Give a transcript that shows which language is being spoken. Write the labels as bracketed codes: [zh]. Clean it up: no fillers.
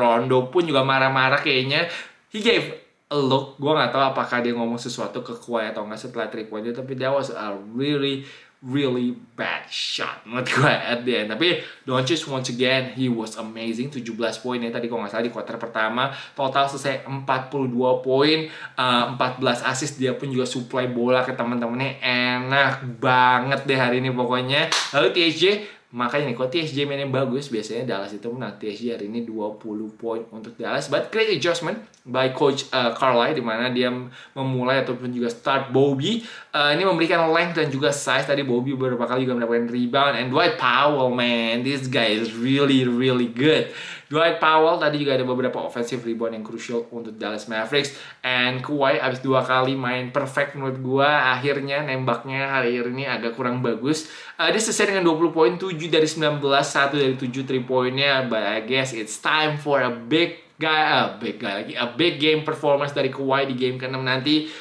[id] Rondo pun juga marah-marah kayaknya. [en] He gave a look. [id] Gue gak tahu apakah dia ngomong sesuatu ke Kawhi atau gak setelah 3 point itu. Tapi [en] that was a really, really bad shot [id] menurut gue [en] at the end. [id] Tapi Doncic [en] once again, he was amazing. [id] 17 poin ya tadi kalau gak salah di quarter pertama. Total selesai 42 poin. 14 assist, dia pun juga supply bola ke teman-temannya. Enak banget deh hari ini pokoknya. Lalu THJ, makanya nih, kalau THJ mainnya bagus, biasanya Dallas itu menang. THJ hari ini 20 poin untuk Dallas. [en] But great adjustment by Coach Carlisle, [id] di mana dia memulai ataupun juga start Bobby. Ini memberikan length dan juga size. Tadi Bobby beberapa kali juga mendapatkan rebound. [en] And Dwight Powell, man, this guy is really, really good. [id] Dwight Powell tadi juga ada beberapa offensive rebound yang crucial untuk Dallas Mavericks. And Kawhi abis 2 kali main perfect menurut gua, akhirnya nembaknya hari ini agak kurang bagus. Dia selesai dengan 20 poin, 7 dari 19, 1 dari 7 3 poinnya. [en] But I guess it's time for a big guy, a big game performance [id] dari Kawhi di game ke-6 nanti.